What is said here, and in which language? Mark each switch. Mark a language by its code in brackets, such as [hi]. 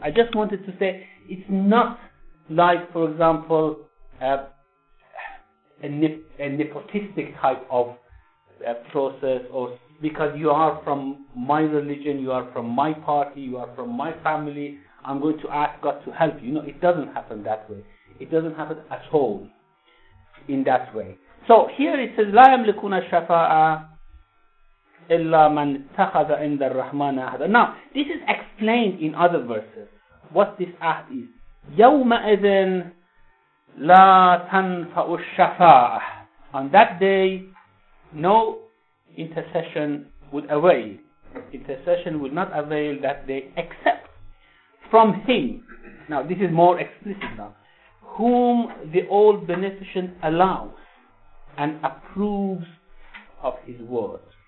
[en] I just wanted to say it's not like, for example, a nepotistic type of process, or because you are from my religion, you are from my party, you are from my family, I'm going to ask God to help you. No, it doesn't happen that way. It doesn't happen at all in that way. So here it says, [ar] لَا يَمْلِكُونَ الشَّفَاءَ إِلَّا مَنْ اتَّخَذَ عِنْدَ الرَّحْمَنَ أَهْدًا. [en] Now, this is explained in other verses, what this ahd is. [ar] يَوْمَئِذٍ لَا تَنْفَعُ الشَّفَاءَ. [en] On that day, no intercession would avail. Intercession would not avail that they accept from him. Now, this is more explicit now. Whom the all beneficent allows and approves of his word.